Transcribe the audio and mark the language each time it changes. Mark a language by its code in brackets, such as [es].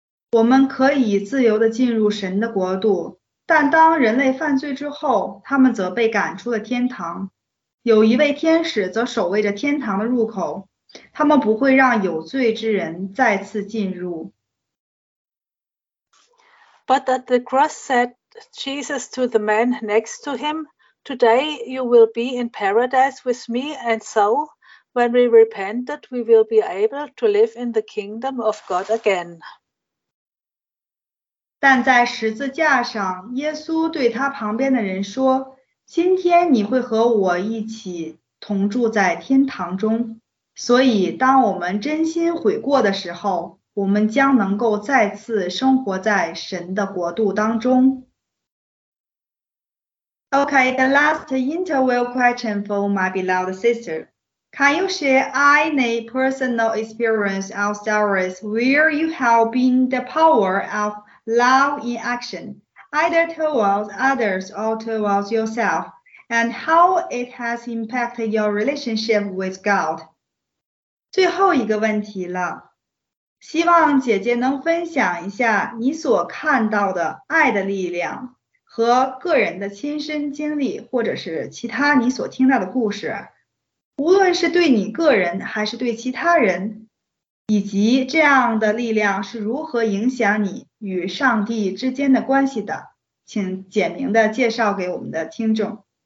[zh] 我们可以自由地进入神的国度，但当人类犯罪之后，他们则被赶出了天堂。有一位天使则守卫着天堂的入口，他们不会让有罪之人再次进入。 [en] But at the cross said Jesus to the man next to him,Today you will be in paradise with me, and so when we repented, we will be able to live in the kingdom of God again. [zh] 但在十字架上，耶稣对他旁边的人说，今天你会和我一起同住在天堂中。所以当我们真心悔过的时候，我们将能够再次生活在神的国度当中。 [en] Okay, the last interview question for my beloved sister. Can you share any personal experience or stories where you have been the power of love in action, either towards others or towards yourself, and how it has impacted your relationship with God? [zh] 最后一个问题了，希望姐姐能分享一下你所看到的爱的力量。和个人的亲身经历，或者是其他你所听到的故事，无论是对你个人还是对其他人，以及这样的力量是如何影响你与上帝之间的关系的，请简明地介绍给我们的听众。